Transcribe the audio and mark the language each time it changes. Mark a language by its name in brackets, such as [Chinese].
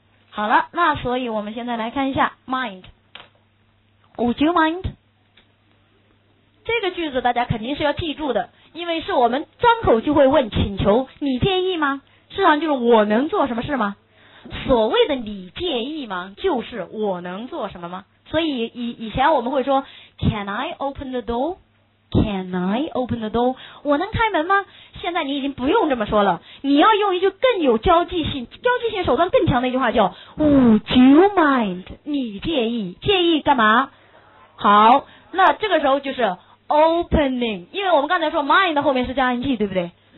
[Chinese] 好了，那所以我们现在来看一下 mind。Would you mind 这个句子大家肯定是要记住的，因为是我们张口就会问请求，你介意吗？事实上就是我能做什么事吗？所谓的你介意吗，就是我能做什么吗？ [English] 所以以前我们会说 Can I open the door? Can I open the door? [Chinese] 我能开门吗？现在你已经不用这么说了，你要用一句更有交际性手段更强的一句话，叫 Would you mind? 你介意？介意干嘛？好，那这个时候就是 opening， 因为我们刚才说 mind 后面是加 ing， 对不对？